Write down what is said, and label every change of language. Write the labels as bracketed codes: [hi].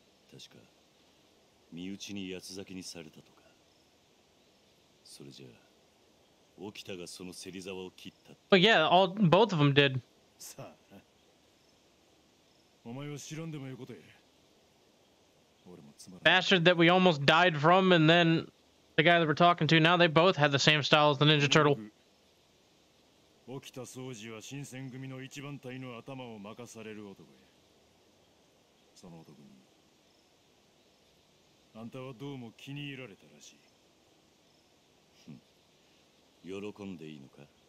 [ja] 確か身内に八つ裂きにされたとか。それじゃあ沖田がその芹沢を切ったって [en] 。 But yeah, all, both of them did. [ja] さあ、お前は知らんでもよいことや。俺もつまらん。 [en] Bastard that we almost died from and thenThe guy that we're talking to, now they both had the same style as the Ninja Turtle. [ja] 沖田総司は新選組の一番隊の頭を任される男や。その男に、あんたはどうも気に入られたらしい。喜んでいいのか？